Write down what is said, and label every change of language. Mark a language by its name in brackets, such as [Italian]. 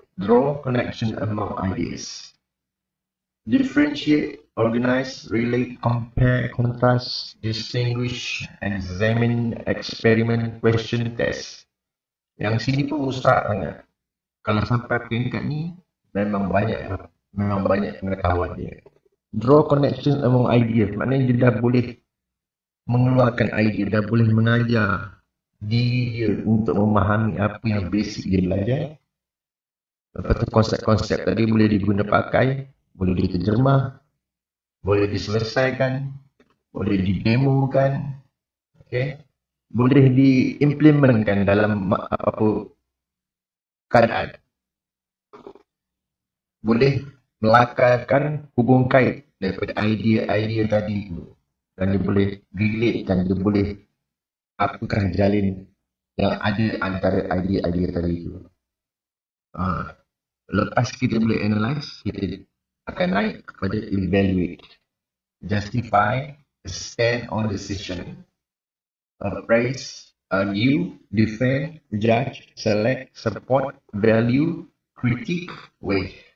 [English] Draw connection among ideas. Differentiate, organize, relate, compare, contrast, distinguish, examine, experiment, question, test. [Malay] Yang sini pun mustahak sangat. Kalau sampai peringkat ni, memang banyak pengetahuan dia. [English] Draw connection among ideas. [Malay] Maknanya dia dah boleh mengeluarkan idea, dah boleh mengajar diri dia untuk memahami apa yang basic dia belajar. Lepas tu konsep-konsep tadi boleh diguna pakai, boleh diterjemah, boleh diselesaikan, boleh didemokan, okay. Boleh diimplementkan dalam apa-apa keadaan. Boleh melakarkan hubung kait daripada idea-idea tadi tu. Dan dia boleh relate dan dia boleh apakah jalin yang ada antara idea-idea tadi itu. Lepas kita boleh analyse, kita akan naik kepada evaluate. [English] Justify, stand on decision. Appraise, argue, defend, judge, select, support, value, critique, weigh.